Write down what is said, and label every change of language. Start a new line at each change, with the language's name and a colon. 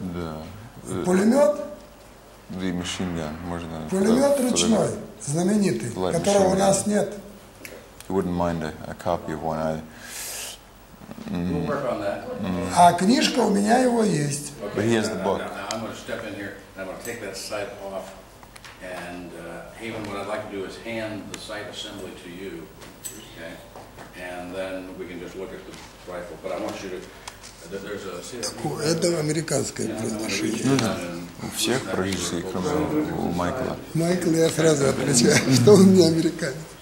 Russian: Да. Пулемет? Да и машинган, можно. Пулемет ручной, знаменитый, которого у нас нет.
English: You wouldn't mind a copy of one? We'll work on that.
Russian: А книжка у меня его есть.
English: But he has the book. Now I'm going to step in here and I'm going to take that sight off. And Haven, what I'd like to do is hand the sight assembly to you, okay? And then we can just look at the rifle. But I want you to, there's a...
Russian: Это американское произношение. Ну да, у всех произношений, кроме у Майкла. Майкл, я сразу отвечаю, что он не американец.